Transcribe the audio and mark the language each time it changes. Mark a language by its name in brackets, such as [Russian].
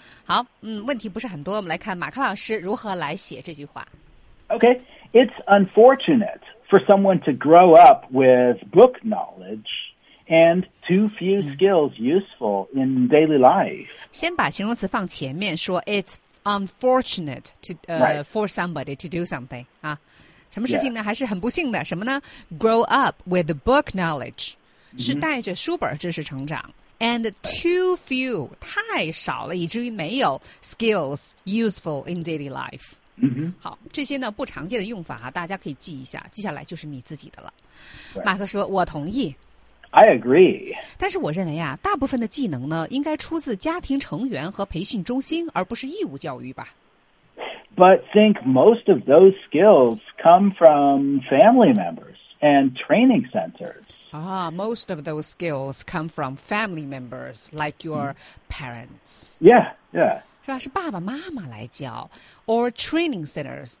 [Chinese] 好, 问题不是很多, 我们来看马克老师如何来写这句话。 [English] Okay, it's unfortunate for someone to grow up with book knowledge and too few skills useful in daily life. [Chinese] 先把形容词放前面说, [English] it's unfortunate to, right. for somebody to do something. [Chinese] 什么事情呢? [English] Yeah. [Chinese] 还是很不幸的, 什么呢? [English] Grow up with book knowledge, [Chinese] 是带着书本知识成长, [English] and too few, [Chinese] 太少了, 以至于没有 [English] skills useful in daily life. [Chinese] 好, 这些呢, 不常见的用法, 大家可以记一下, 记下来就是你自己的了。马克说, 我同意。 [English] I agree. [Chinese] 但是我认为啊, 大部分的技能呢, 应该出自家庭成员和培训中心, 而不是义务教育吧。 [English] But think most of those skills come from family members and training centers. Ah, most of those skills come from family members, like your parents. Yeah, yeah. [Chinese] 是吧?是爸爸妈妈来教, [English] or training centers.